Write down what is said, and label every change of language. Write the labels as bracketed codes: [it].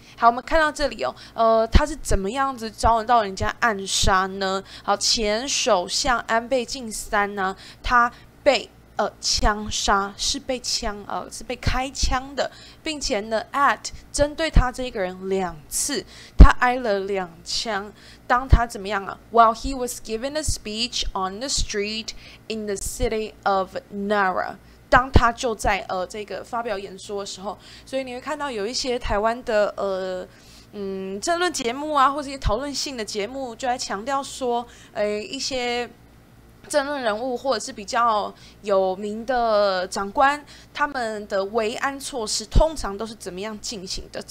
[zh] 好，我们看到这里哦，他是怎么样子遭人到人家暗杀呢？好，前首相安倍晋三呢，他被枪杀，是被枪是被开枪的，并且呢 ，at 针对他这个人两次，他挨了两枪。当他怎么样啊 ？ [en] While he was giving a speech on the street in the city of Nara。 [zh] 当他就在这个发表演说的时候，所以你会看到有一些台湾的政论节目啊，或者一些讨论性的节目，就在强调说，一些政论人物或者是比较有名的长官，他们的维安措施通常都是怎么样进行的？